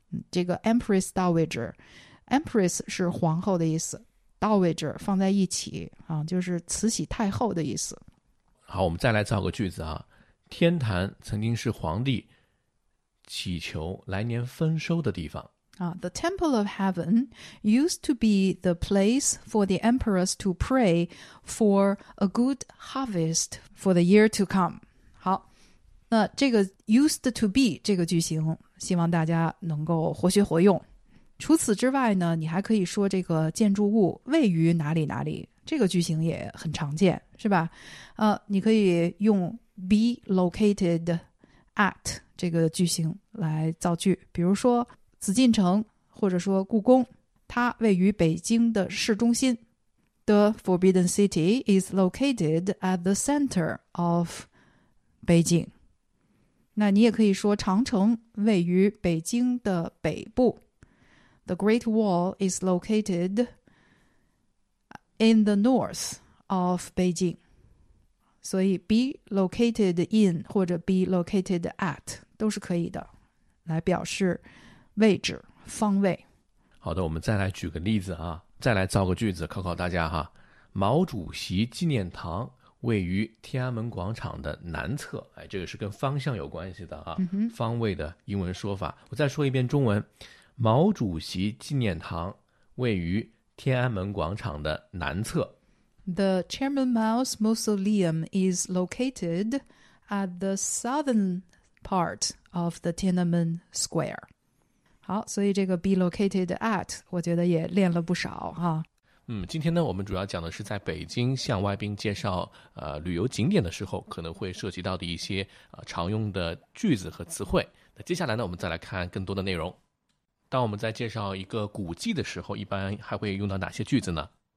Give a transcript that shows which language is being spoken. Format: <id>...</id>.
<zh>这个 Empress Dowager， Empress 是皇后的意思， Dowager 放在一起啊，就是慈禧太后的意思。好，我们再来造个句子啊，天坛曾经是皇帝祈求来年丰收的地方。</zh> <en>The Temple of Heaven used to be the place for the Empress to pray for a good harvest for the year to come.</en> <zh>好，那这个 used to be 这个句型希望大家能够活学活用。除此之外呢，你还可以说这个建筑物位于哪里哪里，这个句型也很常见，是吧？你可以用 be located at这个句型来造句，比如说紫禁城或者说故宫，它位于北京的市中心。</zh> <en>The Forbidden City is located at the center of Beijing.</en> <zh>那你也可以说长城位于北京的北部。</zh> <en>The Great Wall is located in the north of Beijing.</en> <zh>所以 be located in 或者 be located at 都是可以的，来表示位置方位。好的，我们再来举个例子啊，再来造个句子考考大家哈。毛主席纪念堂位于天安门广场的南侧，哎，这个是跟方向有关系的啊，方位的英文说法。我再说一遍中文，毛主席纪念堂位于天安门广场的南侧。</zh> <en>The Chairman Mao's mausoleum is located at the southern part of the Tiananmen Square.</en> <zh>好，所以这个 be located at 我觉得也练了不少哈。今天呢我们主要讲的是在北京向外宾介绍旅游景点的时候可能会涉及到的一些常用的句子和词汇。那接下来呢我们再来看更多的内容。当我们在介绍一个古迹的时候一般还会用到哪些句子呢？</zh>